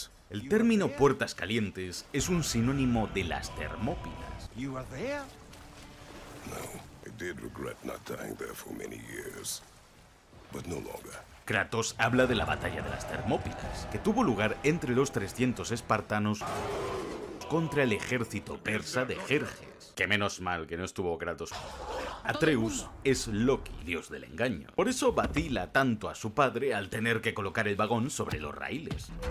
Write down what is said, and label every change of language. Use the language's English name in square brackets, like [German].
[Spanish] El término puertas calientes es un sinónimo de las Termópilas. [English] You are there? No, I did regret not dying there for many years, but no longer. [Spanish] Kratos habla de la batalla de las Termópilas, que tuvo lugar entre los 300 espartanos contra el ejército persa de Jerjes. Que menos mal que no estuvo Kratos. Atreus es Loki, dios del engaño. Por eso vacila tanto a su padre al tener que colocar el vagón sobre los raíles.